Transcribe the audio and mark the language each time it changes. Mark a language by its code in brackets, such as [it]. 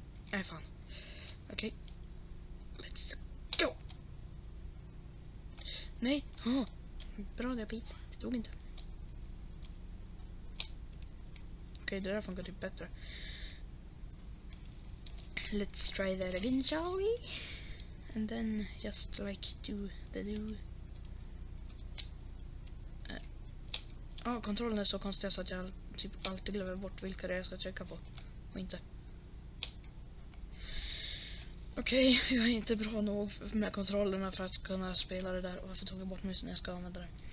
[sv] Nej fan. Okej. [en] Let's go! [sv] Nej! Oh. Bra där Pete. Det tog inte. Okej, det där funkar typ bättre. [en] Let's try that again, shall we? And then, just like do the do. [sv] Kontrollen är så konstig så att jag typ alltid glömmer bort vilka det jag ska trycka på. Och inte. Okej, jag är inte bra nog med kontrollerna för att kunna spela det där. Varför tog jag bort musen när jag ska använda den?